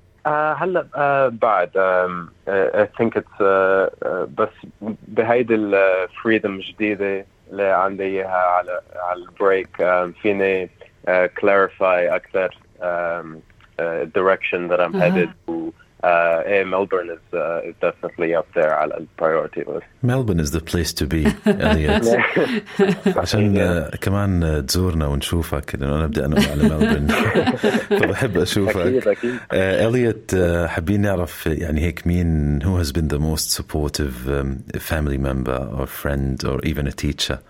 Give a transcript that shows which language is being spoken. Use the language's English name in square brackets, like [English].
[Arabic] هلا بعد [English] I think it's [Arabic] بس بهيدي الفريدم جديدة اللي عندي إياها على البريك فيني clarify أكثر [English] direction that I'm headed to. Melbourne is definitely up there على priority list. Melbourne is the place to be, Elliot. [Arabic] عشان كمان تزورنا ونشوفك لأنه أنا بدي أنقل على ملبورن فبحب أشوفك. [English] Elliot, [Arabic] حابين نعرف يعني هيك مين [English] who has been the most supportive family member or friend or even a teacher.